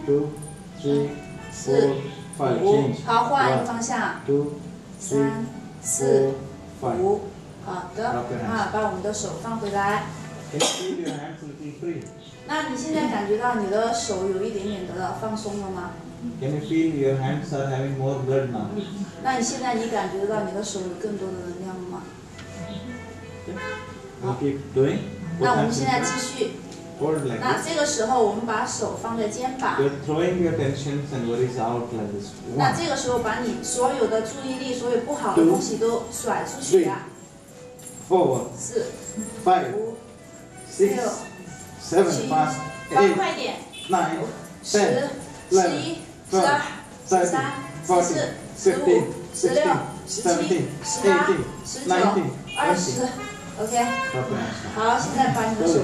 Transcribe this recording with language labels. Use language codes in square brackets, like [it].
[en] Two, three, four, five. [zh] 五。好，换一个方向。 [en] One, two, three, [zh] 三、四、 [en] four, [zh] 五。好的，啊，把我们的手放回来。 [en] Can you feel your hands looking free? [zh] 那你现在感觉到你的手有一点点的放松了吗？ [en] Can you feel your hands are having more blood now? [zh] 那你现在你感觉到你的手有更多的能量了吗？ [en] Yeah. Okay. Keep doing. [zh] 那我们现在继续。 [en] Hold like this. [zh] 那这个时候我们把手放在肩膀。 [en] You're throwing your tensions and worries out like this. [zh] 那这个时候把你所有的注意力，所有不好的东西都甩出去呀。 [en] Four. [zh] 四。 [en] Five. [zh] 六、 [en] seven, [zh] 七、八、八，快点！ [en] nine, [zh] 十、 [en] ten, [zh] 十一、十二、十三、十四、十五、十六、十七、十八、十九、二十。OK。好，现在把你的手